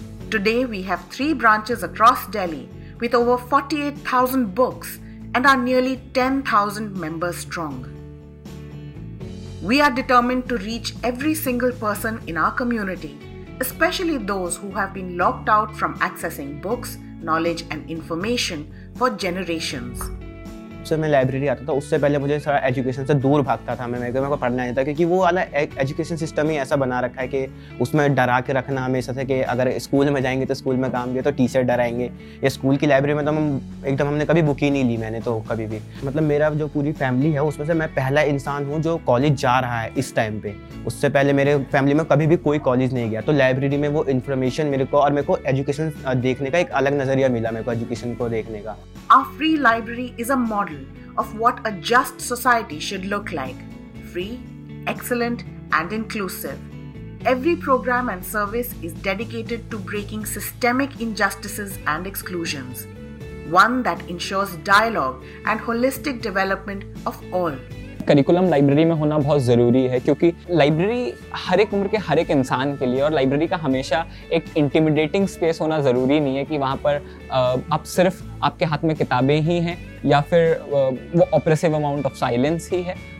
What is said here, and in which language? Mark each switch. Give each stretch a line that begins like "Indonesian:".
English: Today we have three branches across Delhi with over 48,000 books and are nearly 10,000 members strong. We are determined to reach every single person in our community, especially those who have been locked out from accessing books, knowledge and information for generations.
Hindi: से मैं library आता था उससे पहले मुझे सारा education से दूर भागता था मैं मेरे को पढ़ने आता था क्योंकि वो वाला एजुकेशन सिस्टम ही ऐसा बना रखा है कि उसमें डरा के रखना हमेशा से कि अगर स्कूल में जाएंगे तो स्कूल में काम दिए तो टीचर डराएंगे या स्कूल की लाइब्रेरी में तो हम एकदम हमने कभी बुक ही नहीं ली मैंने तो कभी भी मतलब मेरा जो पूरी फैमिली है उसमें से मैं पहला इंसान हूँ जो कॉलेज जा रहा है इस टाइम पे उससे पहले मेरे फैमिली में कभी भी कोई कॉलेज नहीं गया तो लाइब्रेरी में वो इन्फॉर्मेशन मेरे को और मेरे को एजुकेशन देखने का एक अलग नजरिया मिला मेरे को एजुकेशन को देखने का
English: Our free library is a model of what a just society should look like. Free, excellent, and inclusive. Every program and service is dedicated to breaking systemic injustices and exclusions. one that ensures dialogue and holistic development of all.
Hindi: Curriculum library में होना बहुत ज़रूरी है क्योंकि library हर एक उम्र के हर एक इंसान के लिए, और लाइब्रेरी का हमेशा एक इंटिमिडेटिंग स्पेस होना ज़रूरी नहीं है कि वहाँ पर आप सिर्फ आपके हाथ में किताबें ही हैं या फिर वो
English: oppressive amount of silence
Hindi: ही है।